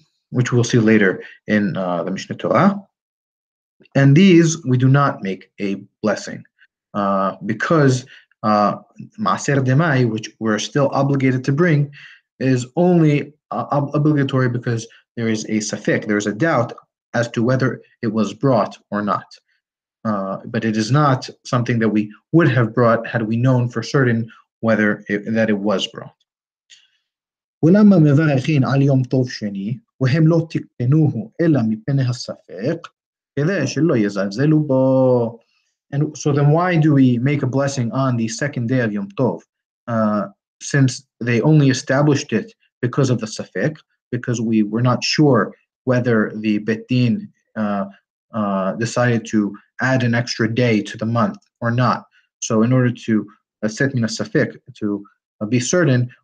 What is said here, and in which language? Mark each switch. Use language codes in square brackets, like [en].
[en] Which we'll see later in the Mishneh Torah. And these we do not make a blessing, because Maaser Demai, which we're still obligated to bring, is only obligatory because there is a safek, there is a doubt as to whether it was brought or not. But it is not something that we would have brought had we known for certain whether that it was brought. [he] ולמה מברכין על יום טוב שני, והם לא תקנוהו אלא מפני הספק, כדי שלא יזלזלו בו. [en] And so then why do we make a blessing on the second day of Yom Tov? Since they only established it because of the safek, because we were not sure whether the Bet Din decided to add an extra day to the month or not. So in order to set min a safek, to be certain,